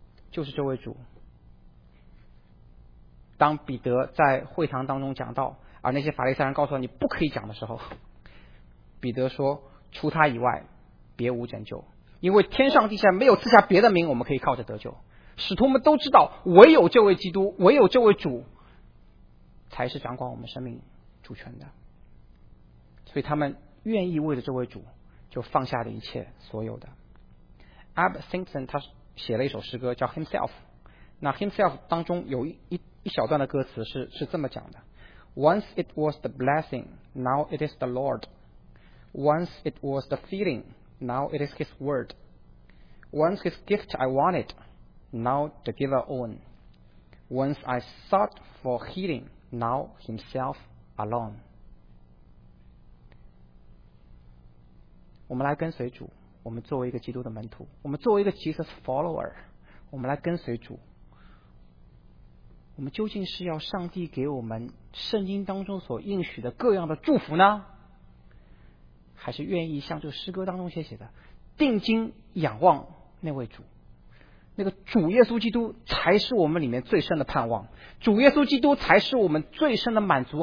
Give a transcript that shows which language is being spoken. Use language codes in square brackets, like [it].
[zh] 就是这位主，当彼得在会堂当中讲道，而那些法利赛人告诉他你不可以讲的时候，彼得说：“除他以外别无拯救，因为天上地下没有赐下别的名我们可以靠着得救。” 使徒们都知道，唯有这位基督，唯有这位主才是掌管我们生命主权的，所以他们愿意为了这位主就放下了一切所有的。 Ab Simpson 他写了一首诗歌叫 Himself， 那 Himself 当中有一小段的歌词是这么讲的： [en] Once it was the blessing, now it is the Lord. Once it was the feeling, now it is his word. Once his gift I wanted, now the giver own. Once I sought for healing, now himself alone. [zh] 我们来跟随主，我们作为一个基督的门徒，我们作为一个 Jesus follower， 我们来跟随主，我们究竟是要上帝给我们圣经当中所应许的各样的祝福呢，还是愿意像这个诗歌当中写的，定睛仰望那位主，那个主耶稣基督才是我们里面最深的盼望，主耶稣基督才是我们最深的满足。